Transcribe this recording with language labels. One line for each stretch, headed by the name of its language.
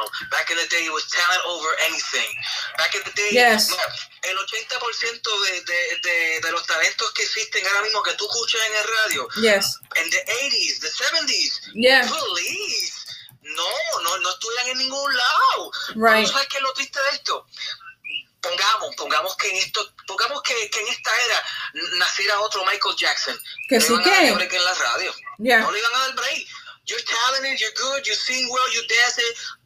English: Back in the day, it was talent over anything. Back in the day, yes.
Spanish: El 80% de los talentos que existen ahora mismo que tú escuchas en el radio.
English: Yes. In the 80s, the 70s. Yes. Please.
Spanish: No estudian en ningún lado.
English: Right.
Spanish: ¿Sabes qué es lo triste de esto? Pongamos que en esto, pongamos que en esta era naciera otro Michael Jackson. Que sí que. Que en la radio.
English: Yeah.
Spanish: No le iban a dar break.
English: You're talented, you're good, you sing well, you dance it.